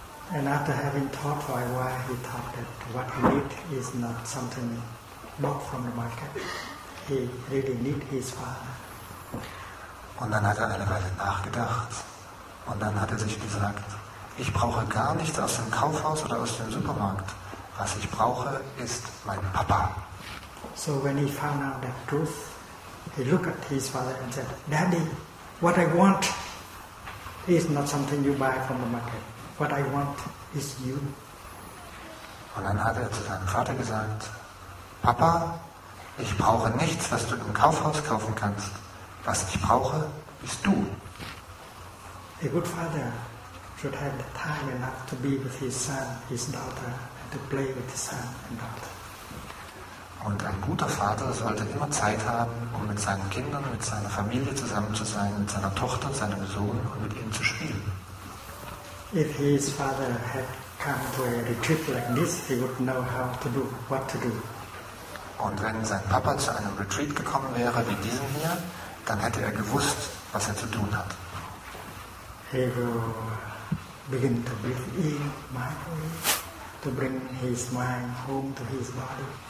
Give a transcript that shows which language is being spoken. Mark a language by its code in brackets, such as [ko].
[en] And after having thought for a while, he thought that what he need is not something bought from the market. He really need his father. [de] Und dann hat er eine Weile nachgedacht und dann hat er sich gesagt, ich brauche gar nichts aus dem Kaufhaus oder aus dem Supermarkt. Was ich brauche, ist mein Papa. [en] So when he found out the truth, he looked at his father and said, Daddy, what I want is not something you buy from the market. What I want is you. [de] Und dann hat er zu seinem Vater gesagt, Papa, ich brauche nichts, was du im Kaufhaus kaufen kannst. Was ich brauche, bist du. [en] A good father should have the time enough to be with his son, his daughter, to play with his son and daughter. [de] Und ein guter Vater sollte immer Zeit haben, um mit seinen Kindern, mit seiner Familie zusammen zu sein, mit seiner Tochter, seinem Sohn und mit ihnen zu spielen. [en] If his father had come to a retreat like this, he would know how to do, what to do. [de] Und wenn sein Papa zu einem Retreat gekommen wäre, wie diesem hier, dann hätte er gewusst, was er zu tun hat. [en] He will begin to breathe in mindfully, to bring his mind home to his body.